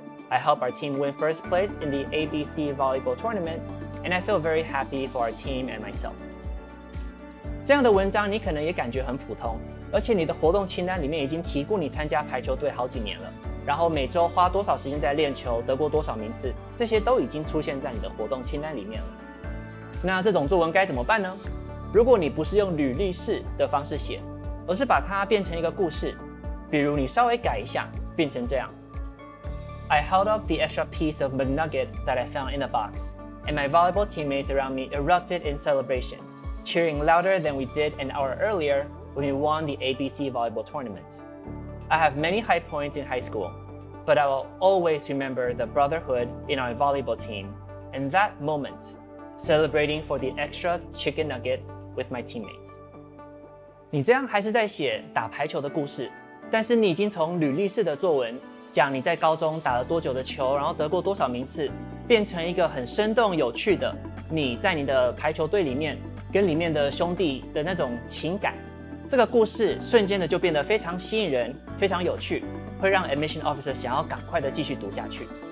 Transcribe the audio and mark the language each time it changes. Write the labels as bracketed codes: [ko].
[en] I helped our team win first place in the ABC volleyball tournament, and I feel very happy for our team and myself. [zh] 这样的文章你可能也感觉很普通，而且你的活动清单里面已经提过你参加排球队好几年了，然后每周花多少时间在练球，得过多少名次，这些都已经出现在你的活动清单里面了。那这种作文该怎么办呢？如果你不是用履历式的方式写，而是把它变成一个故事，比如你稍微改一下，变成这样。 [en] I held up the extra piece of McNugget that I found in the box, and my volleyball teammates around me erupted in celebration, cheering louder than we did an hour earlier when we won the ABC volleyball tournament. I have many high points in high school, but I will always remember the brotherhood in our volleyball team, and that moment, celebrating for the extra chicken nugget with my teammates. [zh] 你这样还是在写打排球的故事，但是你已经从履历式的作文讲你在高中打了多久的球，然后得过多少名次，变成一个很生动有趣的你在你的排球队里面跟里面的兄弟的那种情感，这个故事瞬间的就变得非常吸引人，非常有趣，会让 admission officer 想要赶快的继续读下去。